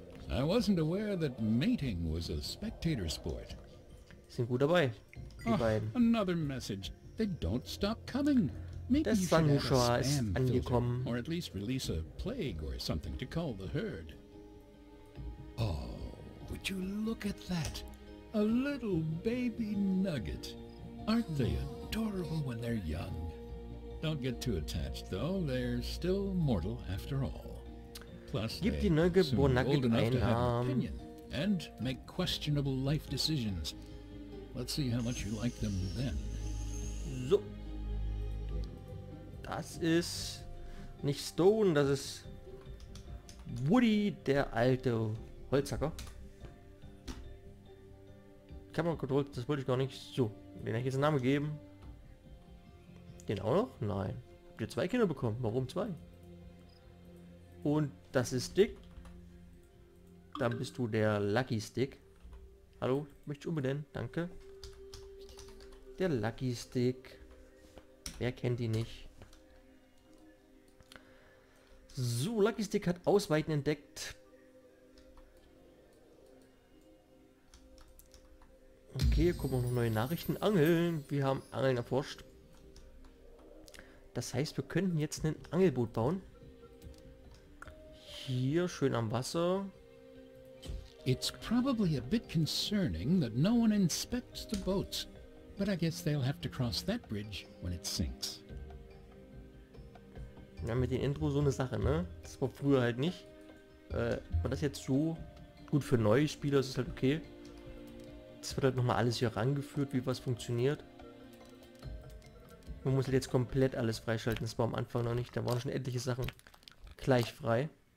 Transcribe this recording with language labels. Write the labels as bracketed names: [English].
[English] I wasn't aware that mating was a spectator sport. [German] Sind gut dabei. Die oh, beiden. [English] Another message. They don't stop coming. [German] Das Sanushua ist angekommen. [English] Or at least release a plague or something to call the herd. Oh, would you look at that? A little baby nugget. Aren't they adorable when they're young? Don't get too attached though, they're still mortal after all. [German] Plus, gib die neugeborenen Nugget einen Namen. [English] And make questionable life decisions. Let's see how much you like them then. [German] So. Das ist nicht Stone, das ist Woody, der alte Holzhacker. Kamera gedrückt, das wollte ich gar nicht. So, den habe ich jetzt einen Namen gegeben. Den auch noch? Nein. Habt ihr zwei Kinder bekommen? Warum zwei? Und das ist Dick. Dann bist du der Lucky Stick. Hallo, möchte ich umbenennen? Danke. Der Lucky Stick. Wer kennt ihn nicht? So, Lucky Stick hat Ausweiten entdeckt. Okay, kommen auch noch neue Nachrichten. Angeln. Wir haben Angeln erforscht. Das heißt, wir könnten jetzt ein Angelboot bauen. Hier, schön am Wasser. [English] It's probably a bit concerning that no one inspects the boats. But I guess they'll have to cross that bridge when it sinks. [German] Ja, mit dem Intro so eine Sache, ne? Das war früher halt nicht. Und das jetzt so gut für neue Spieler, das ist halt okay. Das wird halt nochmal alles hier rangeführt, wie was funktioniert. Man muss halt jetzt komplett alles freischalten. Das war am Anfang noch nicht. Da waren schon etliche Sachen gleich frei.